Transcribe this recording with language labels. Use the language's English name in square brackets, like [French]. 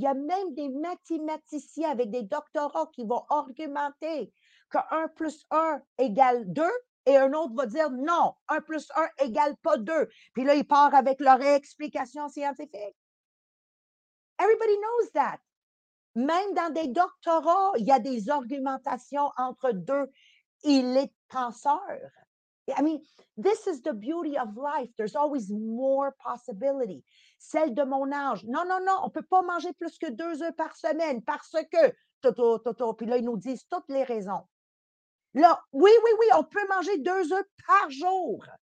[French] Il y a même des mathématiciens avec des doctorats qui vont argumenter que 1 plus 1 égale 2 et un autre va dire non, 1 plus 1 égale pas 2. Puis là, ils partent avec leur explication scientifique. [English] Everybody knows that. [French] Même dans des doctorats, il y a des argumentations entre deux élites penseurs. [English] I mean, this is the beauty of life. There's always more possibility. [French] Celle de mon âge. Non, non, non, on ne peut pas manger plus que 2 œufs par semaine parce que... Puis là, ils nous disent toutes les raisons. Là, oui, oui, oui, on peut manger 2 œufs par jour.